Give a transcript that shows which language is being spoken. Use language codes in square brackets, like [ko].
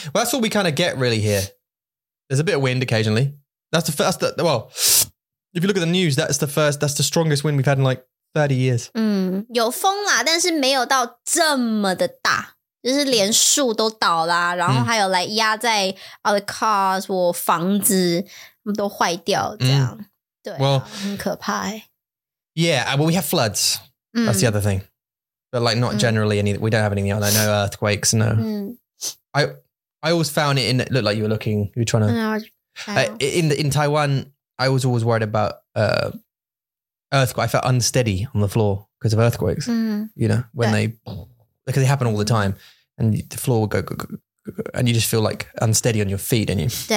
[en] Well, that's what we kind of get really here. There's a bit of wind occasionally. That's the first, well, if you look at the news, that's the first, that's the strongest wind we've had in like 30 years. [zh] 有风啦，但是没有到这么的大，就是连树都倒啦，然后还有来压在 [en] other cars, [zh] 我房子都坏掉这样，对啊，很可怕欸。 [en] Yeah, well, we have floods. That's the other thing. But like not generally any, we don't have anything else. No earthquakes, no. I always found it in, it looked like you were looking, you were trying to. In Taiwan, I was always worried about earthquake. I felt unsteady on the floor because of earthquakes, you know, when they, because they happen all the time and the floor would go, and you just feel like unsteady on your feet, don't you?